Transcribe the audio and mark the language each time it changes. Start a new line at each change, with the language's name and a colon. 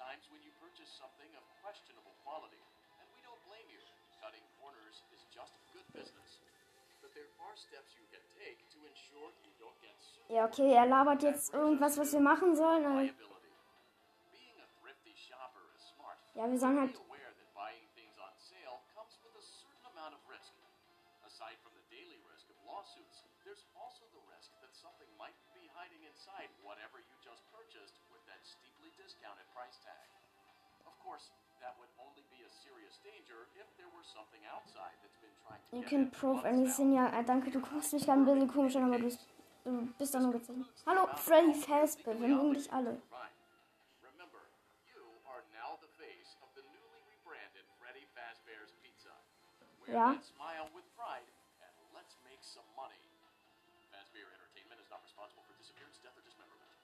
English: When you purchase something of questionable quality, and we don't blame you, cutting corners is just good business. But there are steps you can take to ensure you don't get sued.
German: Ja, okay, er labert jetzt irgendwas, was wir machen sollen.
English: Being a thrifty shopper is smart.
German: Ja, wir sollen halt.
English: Be aware that buying things on sale comes with a certain amount of risk. Aside from the daily risk of lawsuits, there's also the risk that something might be hiding inside whatever you just purchased. Steeply discounted price tag. Of course, that would only be a serious danger if there were something outside that's been trying to. You can prove anything,
German: ja. Danke, du guckst mich gerade ein bisschen komisch an, aber du bist doch nur gezogen. Hallo, Freddy Fazbear, wir mögen dich alle.
English: Remember, you are now the face of the newly rebranded Freddy Fazbear's Pizza.
German: Ja.
English: Smile with pride and let's make some money. Fazbear Entertainment is not responsible for disappearance, death or dismemberment.